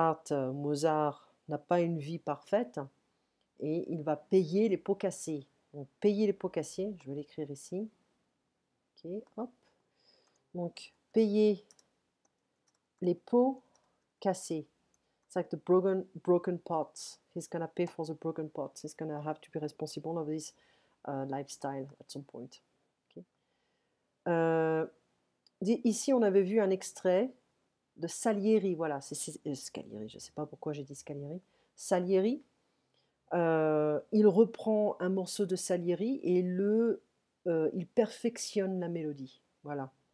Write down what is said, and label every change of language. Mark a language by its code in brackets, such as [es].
[fr] Mozart n'a pas une vie parfaite. Et il va payer les pots cassés. Donc, payer les pots cassés, je vais l'écrire ici. Ok, hop. Donc, payer les pots cassés. [en] It's like the broken pots. He's gonna pay for the broken pots. He's gonna have to be responsible of this lifestyle at some point. [fr] Ici, on avait vu un extrait de Salieri. Voilà, c'est Scaliere. Je ne sais pas pourquoi j'ai dit Scaliere. Salieri. Il reprend un morceau de Salieri et il perfectionne la mélodie. Voilà.